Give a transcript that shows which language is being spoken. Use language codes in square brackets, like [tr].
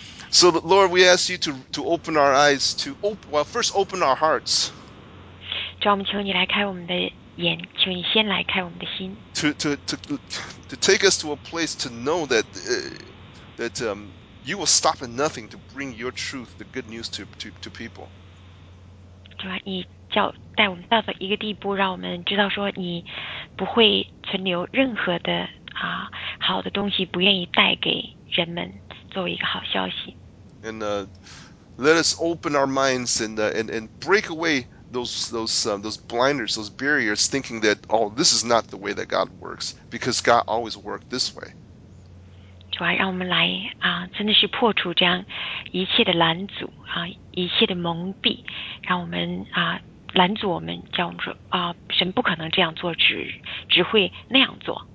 [en] So Lord, we ask you to open our eyes to open. Well, first open our hearts. [zh] 主，我们求你来开我们的眼，求你先来开我们的心。 [en] To take us to a place to know that you will stop at nothing to bring your truth, the good news to people. [zh] 主啊，你叫带我们到一个地步，让我们知道说你不会存留任何的啊好的东西，不愿意带给人们作为一个好消息。 [en] And let us open our minds and break away those blinders, those barriers, thinking that this is not the way that God works, because God always worked this way. [zh] 主啊，让我们来啊，真的是破除这样一切的拦阻啊，一切的蒙蔽。让我们啊拦阻我们，叫我们说啊，神不可能这样做，只会那样做。